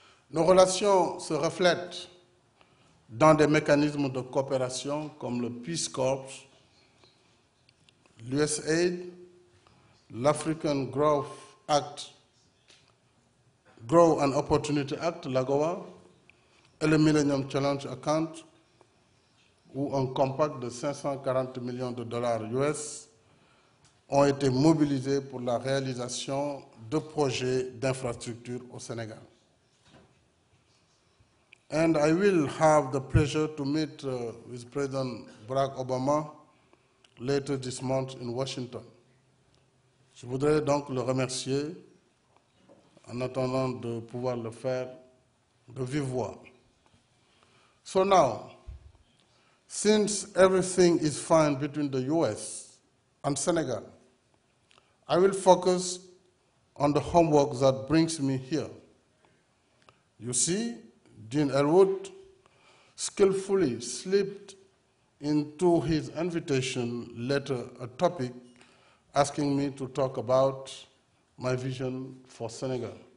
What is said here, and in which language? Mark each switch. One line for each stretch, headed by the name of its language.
French: Nos relations se reflètent dans des mécanismes de coopération comme le Peace Corps, l'USAID, l'African Growth and Opportunity Act, l'AGOA, et le Millennium Challenge Account, où un compact de 540 millions de dollars US ont été mobilisés pour la réalisation de projets d'infrastructure au Sénégal.
English: And I will have the pleasure to meet with President Barack Obama later this month in Washington.
French: Je voudrais donc le remercier en attendant de pouvoir le faire de vive voix.
English: So now, since everything is fine between the US and Senegal, I will focus on the homework that brings me here. You see, Dean Elwood skillfully slipped into his invitation letter a topic asking me to talk about my vision for Senegal.